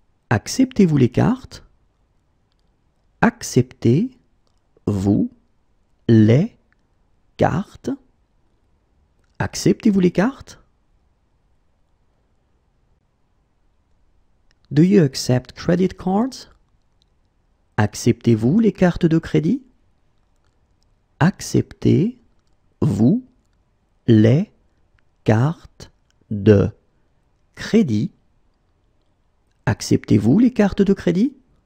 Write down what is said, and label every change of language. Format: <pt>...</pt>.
<fr>Acceptez-vous les cartes? Acceptez-vous les cartes? Acceptez-vous les cartes?</fr> <en>Do you accept credit cards?</en> <fr>Acceptez-vous les cartes de crédit? Acceptez-vous les cartes de crédit? Acceptez-vous les cartes de crédit?</fr>